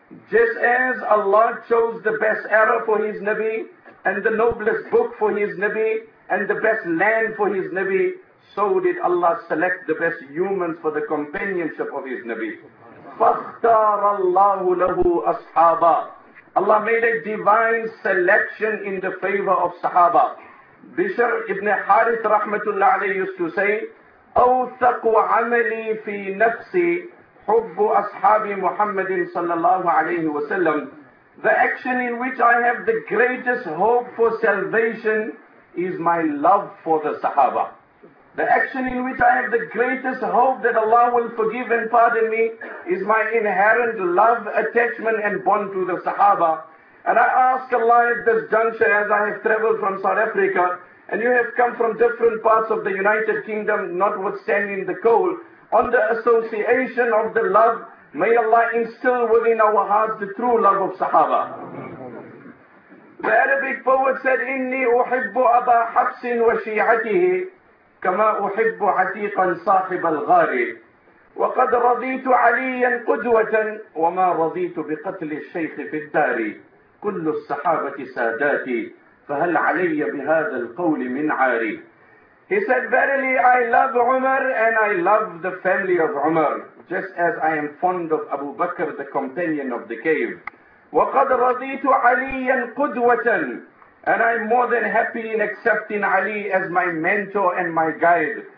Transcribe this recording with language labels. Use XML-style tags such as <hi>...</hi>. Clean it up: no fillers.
<en>Just as Allah chose the best era for His Nabi, and the noblest book for His Nabi, and the best land for His Nabi, so did Allah select the best humans for the companionship of His Nabi.</en> <ar>فَاخْتَارَ اللَّهُ لَهُ أَصْحَابًا.</ar> <en>Allah made a divine selection in the favor of Sahaba. Bishr ibn Harith rahmatullah alayhi used to say,</en> <ar>أَوْثَقُ عَمَلِي فِي نَفْسِي حُبُّ أَصْحَابِ مُحَمَّدٍ صَلَّى اللَّهُ عَلَيْهِ وَسَلَّمُ.</ar> <en>The action in which I have the greatest hope for salvation is my love for the Sahaba. The action in which I have the greatest hope that Allah will forgive and pardon me is my inherent love, attachment and bond to the Sahaba. And I ask Allah at this juncture, as I have traveled from South Africa and you have come from different parts of the United Kingdom, notwithstanding the cold, on the association of the love, may Allah instill within our hearts the true love of Sahaba. The Arabic poet said,</en> <ar>إِنِّي أُحِبُّ أَبَا حَبْسٍ وَشِيعَتِهِ كما أحب عتيقا صاحب الغار وقد رضيت عليا قدوة وما رضيت بقتل الشيخ في الدار كل الصحابة ساداتي فهل علي بهذا القول من عاري.</ar> <en>He said, verily I love Umar and I love the family of Umar, just as I am fond of Abu Bakr, the companion of the cave.</en> <ar>وقد رضيت عليا قدوة.</ar> <en>And I'm more than happy in accepting Ali as my mentor and my guide.</en>